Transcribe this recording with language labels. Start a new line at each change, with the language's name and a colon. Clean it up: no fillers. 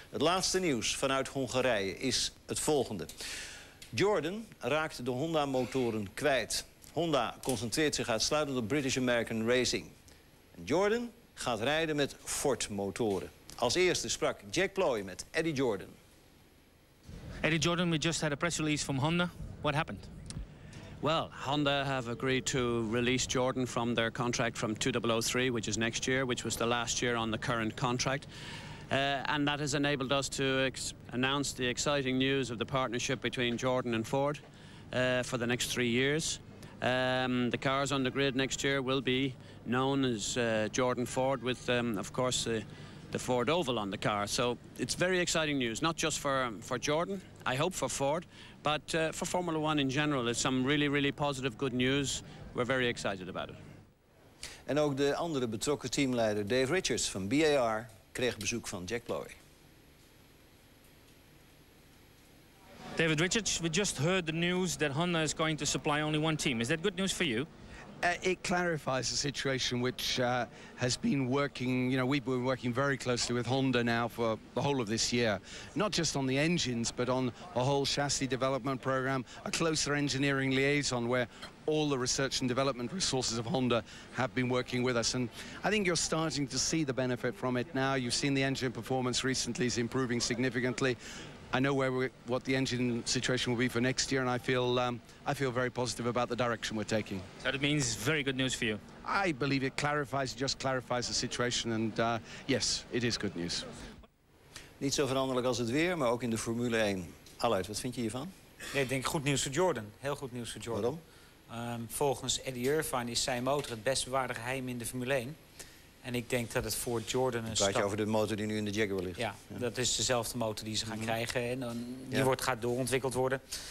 Dutch: Het laatste nieuws vanuit Hongarije is het volgende. Jordan raakt de Honda-motoren kwijt. Honda concentreert zich uitsluitend op British American Racing. Jordan gaat rijden met Ford-motoren. Als eerste sprak Jack Ploy met Eddie Jordan.
English: Eddie Jordan, we just had a press release from Honda. What happened? Well, Honda have agreed to release Jordan from their contract from 2003, which is next year, which was the last year on the current contract. And that has enabled us to announce the exciting news of the partnership between Jordan and Ford for the next 3 years. The cars on the grid next year will be known as Jordan Ford with, of course, the Ford Oval on the car. So it's very exciting news, not just for Jordan, I hope for Ford, but for Formula One in general. It's some really, really positive good news. We're very excited about it.
Dutch: En ook de andere betrokken teamleider Dave Richards van BAR kreeg bezoek van Jack Ploy.
English: David Richards, we just heard the news that Honda is going to supply only one team. Is that good news for you? It clarifies a situation which has been working, you know, we've been working very closely with Honda now for the whole of this year, not just on the engines, but on a whole chassis development program, a closer engineering liaison where all the research and development resources of Honda have been working with us. And I think you're starting to see the benefit from it now. You've seen the engine performance recently is improving significantly. I know where what the engine situation will be for next year, and I feel very positive about the direction we're taking. So that means very good news for you. I believe it just clarifies the situation, and yes, it is good news.
Dutch: Niet zo veranderlijk als het weer, maar ook in de Formule 1. Allard, wat vind je hiervan? Nee, ik denk goed nieuws voor Jordan. Heel goed nieuws voor Jordan. Waarom? Volgens Eddie Irvine is zijn motor het best bewaarde geheim in de Formule 1. En ik denk dat het voor Jordan een stap... Praat je over de motor die nu in de Jaguar ligt? Ja, dat is dezelfde motor die ze gaan krijgen. En die gaat doorontwikkeld worden.